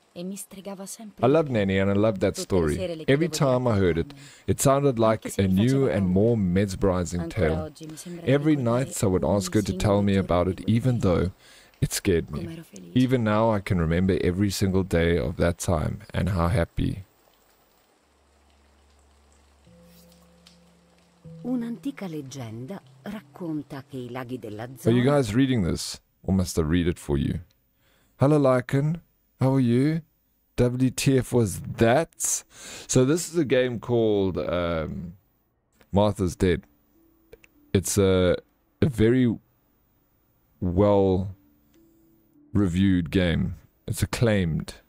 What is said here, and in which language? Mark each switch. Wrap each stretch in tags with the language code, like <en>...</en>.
<en>I love Nanny and I love that story. Every time I heard it, it sounded like a new and more mesmerizing tale. Every night I would ask her to tell me about it, even though it scared me. Even now I can remember every single day of that time and how happy.</en> <it>Un'antica leggenda racconta che i laghi della zona.</it> <en>Are you guys reading this? Or must I read it for you? Hello, Lycan. How are you? WTF was that? So this is a game called Martha's Dead. It's a very well reviewed game. It's acclaimed.</en>